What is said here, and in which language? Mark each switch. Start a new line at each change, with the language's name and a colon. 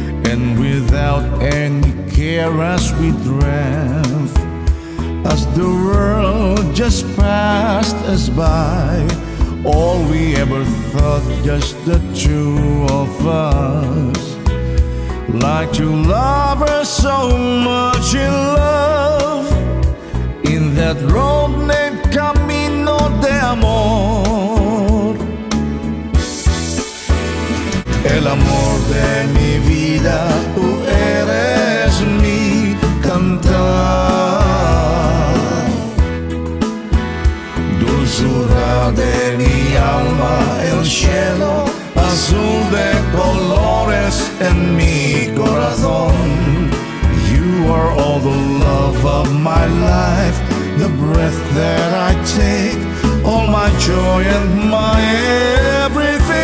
English: and without any care as we drift, as the world just passed us by, all we ever thought, just the two of us, like two lovers so much in love, in that road named Camino de Amor.
Spanish: El amor de mi vida, tú eres mi cantar. Dulzura de mi alma, el cielo azul de colores en mi corazón.
English: You are all the love of my life, the breath that I take, all my joy and my everything.